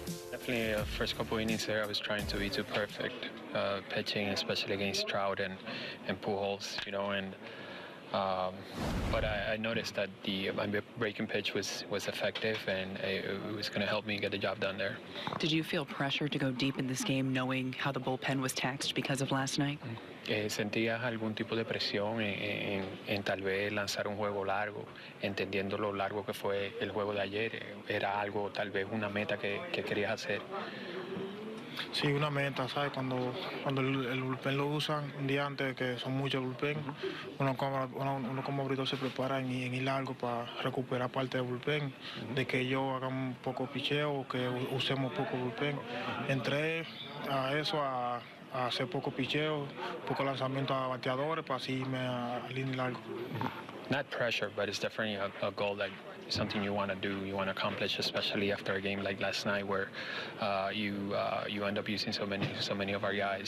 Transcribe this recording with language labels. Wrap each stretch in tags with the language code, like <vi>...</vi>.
<en>definitely the first couple of innings there, I was trying to be too perfect, pitching, especially against Trout and Pujols, you know, and but I noticed that my breaking pitch was effective, and it was going to help me get the job done there. Did you feel pressure to go deep in this game, knowing how the bullpen was taxed because of last night?</en> <es>Sentía algún tipo de presión en tal vez lanzar un juego largo, entendiendo lo largo que fue el juego de ayer. Era algo, tal vez una meta que querías hacer. Sí, una meta, ¿sabes? Cuando el bullpen lo usan un día antes, que son muchos bullpen, uno como abridor se prepara en ir largo para recuperar parte del bullpen, de que ellos hagan un poco picheo o que usemos poco bullpen. Entré a eso, a hacer poco picheo, poco lanzamiento a bateadores para así irme a línea largo.</es> <en>Not pressure, but it's definitely a goal, that something you want to do, you want to accomplish, especially after a game like last night where you end up using so many of our guys.</en>